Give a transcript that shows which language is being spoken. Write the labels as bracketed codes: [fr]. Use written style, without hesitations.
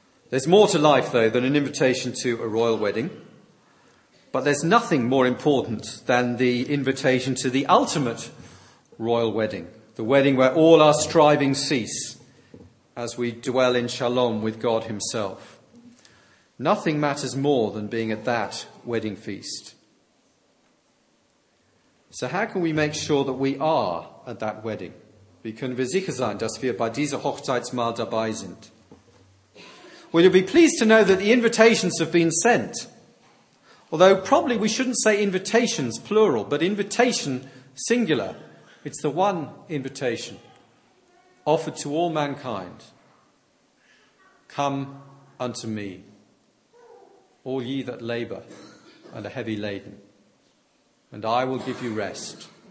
[en] There's more to life, though, than an invitation to a royal wedding. But there's nothing more important than the invitation to the ultimate royal wedding, the wedding where all our striving cease as we dwell in shalom with God himself. Nothing matters more than being at that wedding feast. So how can we make sure that we are at that wedding? [de] Wie können wir sicher sein, dass wir bei dieser Hochzeitsmahl dabei sind? [en] Well, you'll be pleased to know that the invitations have been sent. Although probably we shouldn't say invitations, plural, but invitation, singular. It's the one invitation offered to all mankind. Come unto me, all ye that labor and are heavy laden, and I will give you rest.